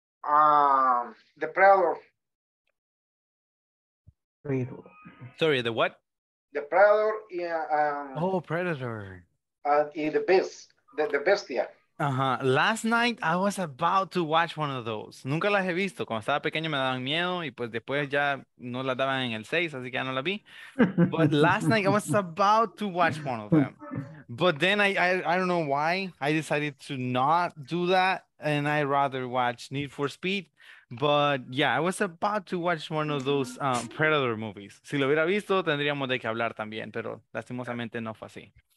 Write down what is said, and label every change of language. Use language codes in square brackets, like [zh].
[en] The Predator. Sorry, the what? The Predator. Oh, Predator. The Beast. The Bestia. Uh-huh. Last night, I was about to watch one of those. [es] Nunca las he visto. Cuando estaba pequeño me daban miedo y pues después ya no las daban en el 6, así que ya no la vi. [en] But last night, I was about to watch one of them. But then I don't know why I decided to not do that and I rather watch Need for Speed. But yeah, I was about to watch one of those Predator movies. [es] Si lo hubiera visto, tendríamos de que hablar también, pero lastimosamente no fue así.